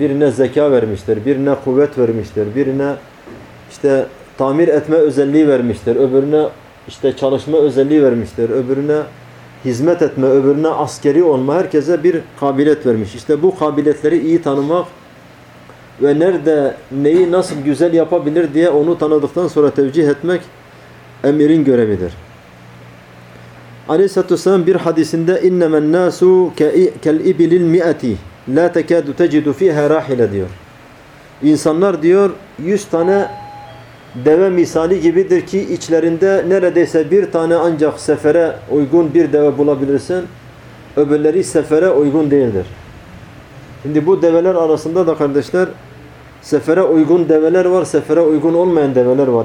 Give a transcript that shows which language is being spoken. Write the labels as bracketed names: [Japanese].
[Turkish] Birine zeka vermiştir, birine kuvvet vermiştir, birine işte tamir etme özelliği vermiştir, öbürüne işte çalışma özelliği vermiştir, öbürüne hizmet etme, öbürüne askeri olma, herkese bir kabiliyet vermiş. İşte bu kabiliyetleri iyi tanımak ve nerede neyi nasıl güzel yapabilir diye onu tanıdıktan sonra tevcih etmek emirin görevidir. Aleyhisselatü Vesselam bir hadisinde [Arabic] اِنَّمَا النَّاسُ كَالْاِبِلِ الْمِئَةِ لَا تَكَادُ تَجِدُ ف۪يهَا رَاحِلَ [Turkish] diyor. İnsanlar diyor 100 tane deve misali gibidir ki içlerinde neredeyse bir tane ancak sefere uygun bir deve bulabilirsin. Öbürleri sefere uygun değildir. Şimdi bu develer arasında da kardeşler, sefere uygun develer var, sefere uygun olmayan develer var.